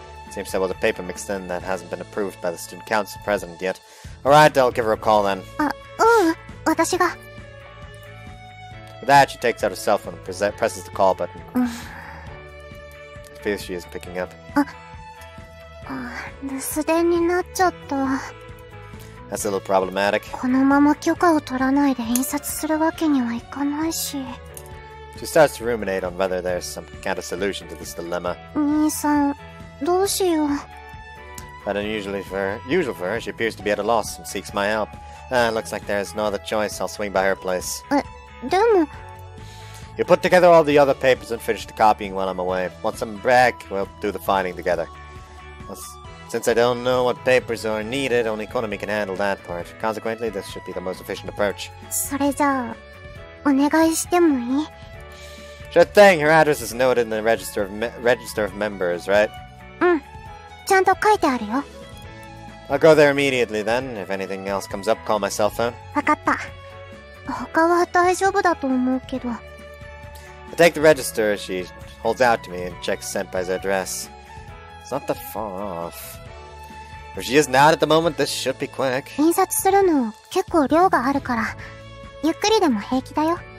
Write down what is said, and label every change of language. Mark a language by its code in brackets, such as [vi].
[en] Seems there was a paper mixed in that hasn't been approved by the student council president yet. Alright, I'll give her a call then. [ja] あ、うん、私が。 [en] With that, she takes out her cell phone and presses the call button. Feels she is picking up. [ja] あ、留守電になっちゃった。 [en] That's a little problematic. [ja] このまま許可を取らないで印刷するわけにはいかないし。 [en] She starts to ruminate on whether there's some kind of solution to this dilemma. [ja] 兄さん、どうしよう。 [en] But usual for her, she appears to be at a loss and seeks my help. Looks like there's no other choice. I'll swing by her place. [ja] でも。 [en] You put together all the other papers and finish the copying while I'm away. Once I'm back, we'll do the filing together. Since I don't know what papers are needed, only Konami can handle that part. Consequently, this should be the most efficient approach. [ja] それじゃあ、お願いしてもいい？ [en] Sure thing, your address is noted in the register of members, right? [ja] うん、ちゃんと書いてあるよ。 [en] I'll go there immediately then. If anything else comes up, call my cell phone. [ja] わかった。他は大丈夫だと思うけど。 [en] I take the register she holds out to me and checks Senpai's address. It's not that far off. If she is not at the moment, this should be quick. [ja] 印刷するの結構量があるから、ゆっくりでも平気だよ。